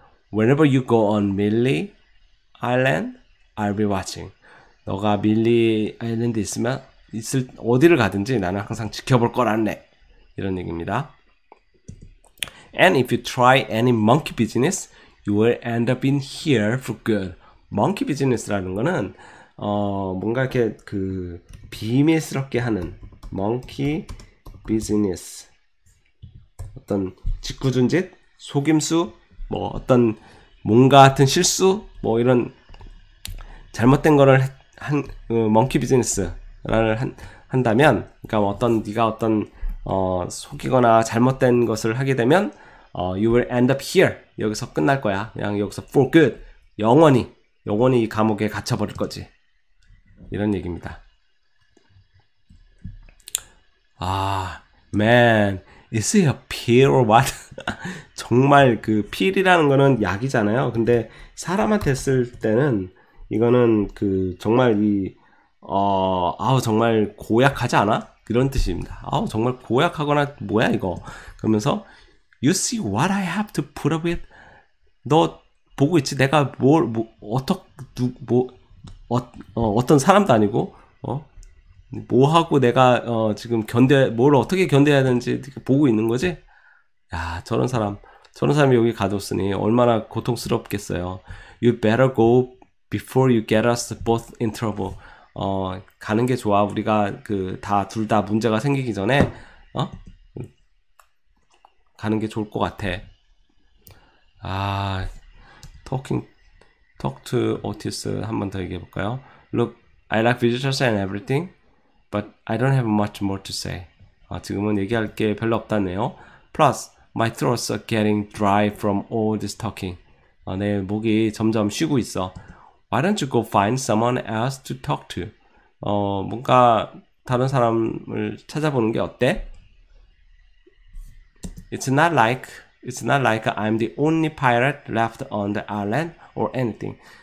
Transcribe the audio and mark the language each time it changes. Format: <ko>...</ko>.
<en>Whenever you go on Millie Island, I'll be watching.</en> <ko>너가 밀리 아일랜드 있으면 어디를 가든지 나는 항상 지켜볼 거란네. 이런 얘기입니다.</ko> <en>And if you try any monkey business, you will end up in here for good.</en> <ko>Monkey business라는 거는 뭔가 이렇게 그 비밀스럽게 하는 monkey business. 어떤 짓궂은 짓, 속임수, 뭐 어떤 뭔가 같은 실수, 뭐 이런 잘못된 거를 멍키 비즈니스를 한다면, 그러니까 네가 속이거나 잘못된 것을 하게 되면,</ko> <en>you will end up here.</en> <ko>여기서 끝날 거야. 그냥 여기서</ko> <en>for good.</en> <ko>영원히 이 감옥에 갇혀버릴 거지. 이런 얘기입니다.</ko> <en>아, man. Is it a pill or what?</en> <ko>정말 그 pill이라는 거는 약이잖아요. 근데 사람한테 쓸 때는, 이거는 그 정말 이어 아우 정말 고약하지 않아? 그런 뜻입니다. 아우 정말 고약하거나 뭐야 이거. 그러면서</ko> <en>You see what I have to put up with?</en> <ko>너 보고 있지? 내가 뭘뭐 어떻 누뭐어 어떤 사람도 아니고 뭐 하고 내가 지금 견뎌 뭘 어떻게 견뎌야 되는지 보고 있는 거지? 야, 저런 사람이 여기 가뒀으니 얼마나 고통스럽겠어요.</ko> <en>You better go Before you get us both in trouble.</en> <ko>가는 게 좋아. 우리가 그, 다, 둘다 문제가 생기기 전에, 가는 게 좋을 것 같아. 아,</ko> <en>talk to Otis</en> <ko>한번더 얘기해 볼까요?</ko> <en>Look, I like visitors and everything, but I don't have much more to say.</en> <ko>지금은 얘기할 게 별로 없다네요.</ko> <en>Plus, my throat's getting dry from all this talking.</en> <ko>내 목이 점점 쉬고 있어.</ko> <en>Why don't you go find someone else to talk to?</en> <ko>뭔가 다른 사람을 찾아보는 게 어때?</ko> <en>It's not like I'm the only pirate left on the island or anything.</en>